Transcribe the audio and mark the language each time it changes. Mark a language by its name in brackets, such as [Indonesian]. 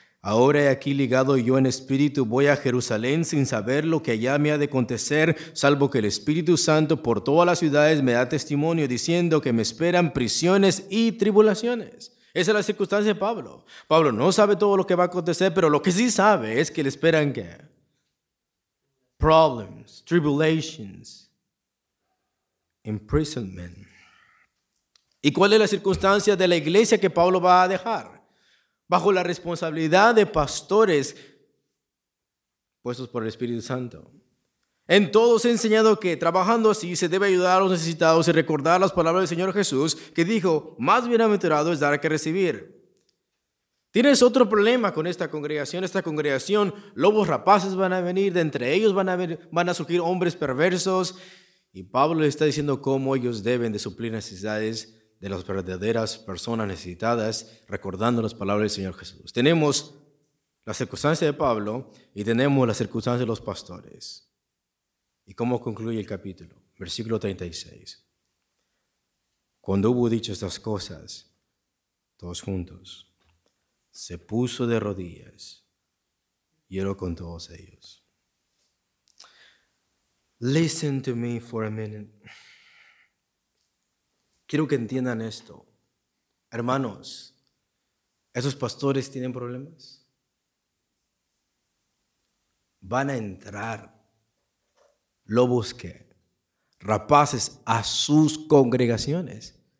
[Spanish] Ahora he aquí ligado yo en espíritu, voy a Jerusalén sin saber lo que allá me ha de acontecer, salvo que el Espíritu Santo por todas las ciudades me da testimonio diciendo que me esperan prisiones y tribulaciones. Esa es la circunstancia de Pablo. Pablo no sabe todo lo que va a acontecer, pero lo que sí sabe es que le esperan ¿qué? [English] Problems, tribulations, imprisonment. [Spanish] ¿Y cuál es la circunstancia de la iglesia que Pablo va a dejar? Bajo la responsabilidad de pastores puestos por el Espíritu Santo. En todos he enseñado que trabajando así se debe ayudar a los necesitados y recordar las palabras del Señor Jesús, que dijo, más bienaventurado es dar que recibir. Tienes otro problema con esta congregación, lobos rapaces van a venir, de entre ellos van a surgir hombres perversos. Y Pablo le está diciendo cómo ellos deben de suplir necesidades de las verdaderas personas necesitadas, recordando las palabras del Señor Jesús. Tenemos la circunstancia de Pablo y tenemos la circunstancia de los pastores. ¿Y cómo concluye el capítulo? Versículo 36. Cuando hubo dicho estas cosas, todos juntos, se puso de rodillas y oró con todos ellos. [English] Listen to me for a minute. [Spanish] Quiero que entiendan esto. Hermanos, ¿esos pastores tienen problemas? Van a entrar lobos que rapaces a sus congregaciones.